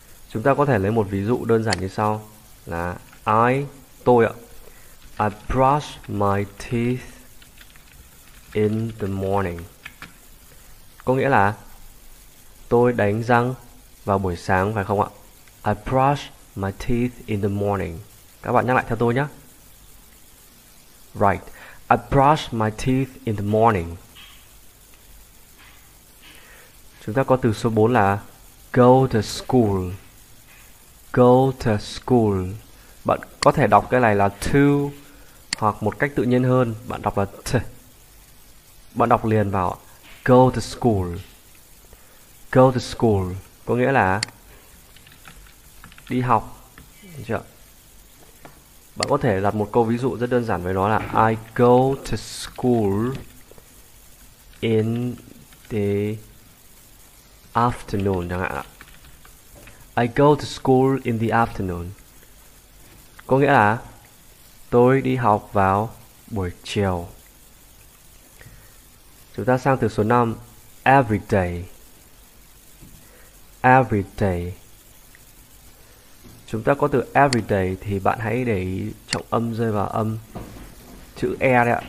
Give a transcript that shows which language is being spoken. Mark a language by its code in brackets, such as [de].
[vi] Chúng ta có thể lấy một ví dụ đơn giản như sau là tôi ạ. [en] I brush my teeth in the morning. [vi] Có nghĩa là tôi đánh răng vào buổi sáng, phải không ạ? [en] I brush my teeth in the morning. [vi] Các bạn nhắc lại theo tôi nhé. [en] Right. I brush my teeth in the morning. [vi] Chúng ta có từ số 4 là [en] go to school. Go to school. [vi] Bạn có thể đọc cái này là to hoặc một cách tự nhiên hơn, bạn đọc là t. Bạn đọc liền vào [en] go to school. Go to school [vi] có nghĩa là đi học. Được chưa? Bạn có thể đặt một câu ví dụ rất đơn giản với nó là [en] I go to school in the afternoon [vi] chẳng hạn. [en] I go to school in the afternoon. [vi] Có nghĩa là tôi đi học vào buổi chiều. Chúng ta sang từ số 5, [en] every day. Every day. [vi] Chúng ta có từ everyday thì bạn hãy để ý trọng âm rơi vào âm chữ e đấy ạ.